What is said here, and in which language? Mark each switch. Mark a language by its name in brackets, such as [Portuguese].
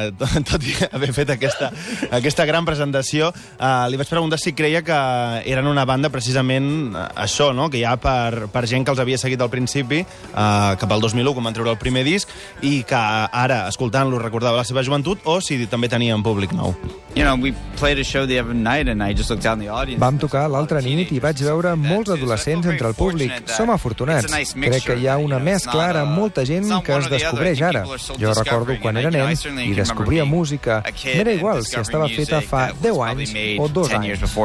[Catalan] Tot i haver fet aquesta gran presentació, li vaig preguntar si creia que eren una banda precisament això, no? Que hi ha per gent que els havia seguit al principi, cap al 2001, quan van treure el primer disc, i que ara, escoltant-lo, recordava la seva joventut, o si també tenien públic nou. [English] You know, we played a show the other night and I just looked down the audience. [Catalan] Vam tocar l'altra nit i vaig veure molts adolescents entre el públic. Som afortunats. Crec que hi ha una més clara amb molta gent que es descobreix ara. Jo recordo quan era nen i descobria música. M'era igual si estava feta fa 10 anys o 2 anys.